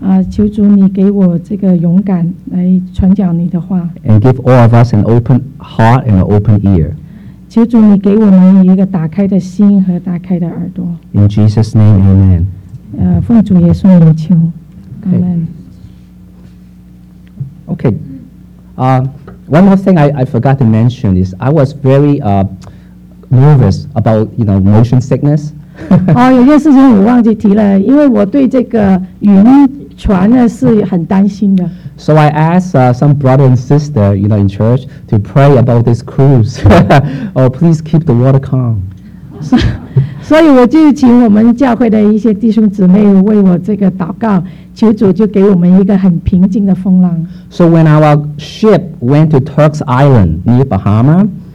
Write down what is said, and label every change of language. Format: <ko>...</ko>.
<zh>求主你给我这个勇敢来传讲你的话。</zh> <en>And give all of us an open heart and an open ear.</en> <zh>求主你给我们一个打开的心和打开的耳朵。</zh> <en>In Jesus' name, Amen.</en> <zh>奉主耶稣名求。Amen.</zh> <en>Okay. One more thing I forgot to mention is I was very nervous about, you know, motion sickness.</en> <zh>有件事情我忘记提了，因为我对这个晕船呢是很担心的。</zh> <en>So I asked some brother and sister, you know, in church to pray about this cruise. Oh, please keep the water calm.</en> <zh>So, 我就请我们教会的一些弟兄姊妹为我这个祷告，求主就给我们一个很平静的风浪。</zh> <en>So when our ship went to Turks Island near Bahama,</en>